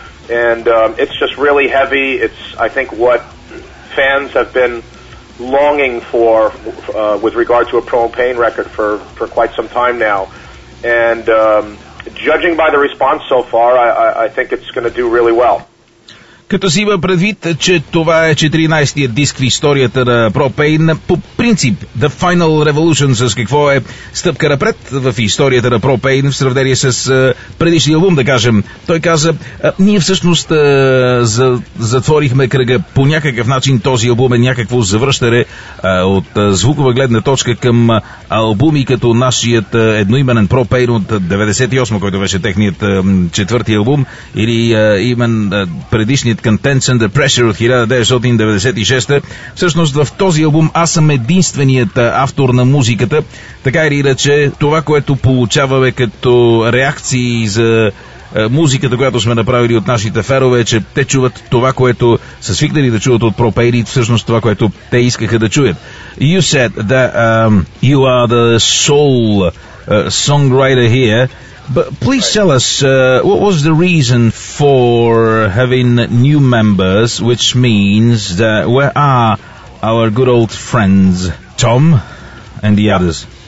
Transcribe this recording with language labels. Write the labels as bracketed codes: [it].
[en] And it's just really heavy. It's, I think, what fans have been longing for with regard to a Propane record for quite some time now. And judging by the response so far, I think it's going to do really well. [bg] Като си има предвид, че това е 14-тия диск в историята на Propane, по принцип The Final Revolution, с какво е стъпка напред в историята на Propane в сравнение с предишния албум, да кажем. Той каза, ние всъщност затворихме кръга по някакъв начин, този албум е някакво завръщане от звукова гледна точка към албуми като нашият едноименен Propane от 98, който беше техният четвърти албум, или имен предишния Contents Under Pressure от 1996. Всъщност в този албум аз съм единственият автор на музиката. Така или иначе, това, което получаваме като реакции за музиката, която сме направили от нашите ферове, е, че те чуват това, което са свикнали да чуват от Propane, всъщност това, което те искаха да чуят. [en] You said that you are the sole songwriter here. But please tell us, what was the reason for having new members, which means that where are our good old friends, Tom and the others?